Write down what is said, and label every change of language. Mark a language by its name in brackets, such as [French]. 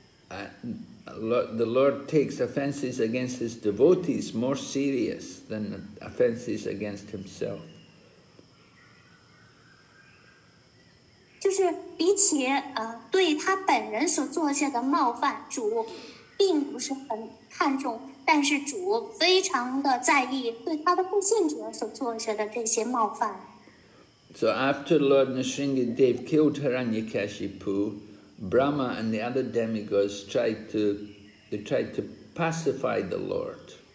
[English] The Lord takes offenses against his devotees more serious than offenses against himself. [Chinese] 就是比起对他本人所做下的冒犯，主并不是很看重，但是主非常的在意对他的不信者所做下的这些冒犯。 [English] So after Lord Narasimhadev killed Hiranyakashipu, Brahma and the other demigods tried to pacify the Lord.